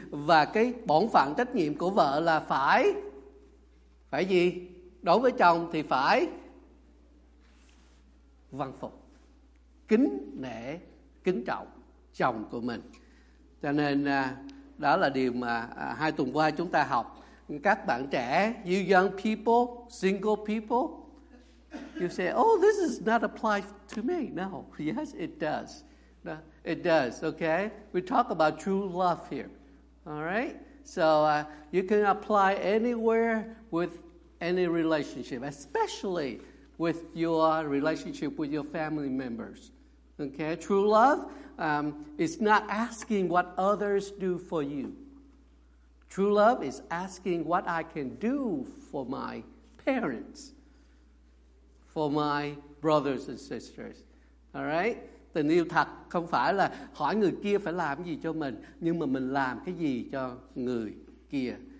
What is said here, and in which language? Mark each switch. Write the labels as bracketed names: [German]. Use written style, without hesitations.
[Vietnamese] Và cái bổn phận trách nhiệm của vợ là phải gì? Đối với chồng thì phải văn phục, kính nể, kính trọng chồng của mình. Cho nên đó là điều mà hai tuần qua chúng ta học. Các bạn trẻ, [English] you young people, single people, you say, oh, this is not apply to me. No, yes, it does. No, it does, okay? We talk about true love here, all right? So you can apply anywhere with any relationship, especially with your relationship with your family members. Okay, true love is not asking what others do for you. True love is asking what I can do for my parents, for my brothers and sisters. All right? [Vietnamese] Tình yêu thật không phải là hỏi người kia phải làm gì cho mình, nhưng mà mình làm cái gì cho người kia.